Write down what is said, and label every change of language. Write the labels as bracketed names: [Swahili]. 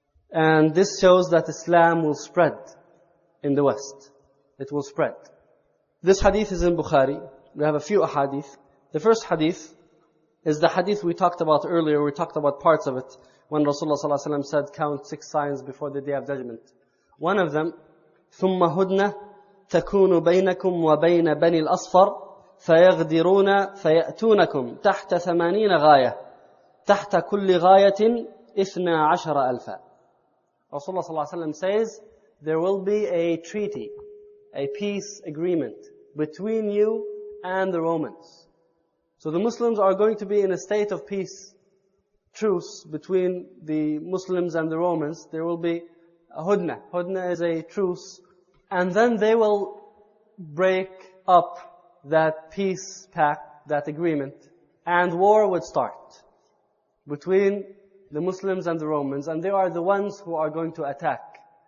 [English] And this shows that Islam will spread in the West. It will spread. This hadith is in Bukhari. We have a few ahadith. The first hadith is the hadith we talked about earlier. We talked about parts of it when Rasulullah sallallahu alaihi wasallam said, count six signs before the Day of Judgment. One of them, [Arabic] ثُمَّ هُدْنَةٌ تَكُونُ بَيْنَكُمْ وَبَيْنَ بَنِي الْأَصْفَرِ فَيَغْدِرُونَ فَيَأْتُونَكُمْ تَحْتَ 80 غَايَةٍ تَحْتَ كُلِّ غَايَةٍ 12,000. [English] Rasulullah [Arabic] صلى الله عليه وسلم [English] says, there will be a treaty, a peace agreement between you and the Romans. So the Muslims are going to be in a state of peace, truce between the Muslims and the Romans. There will be Hudna. Hudna is a truce. And then they will break up that peace pact, that agreement, and war would start between the Muslims and the Romans. And they are the ones who are going to attack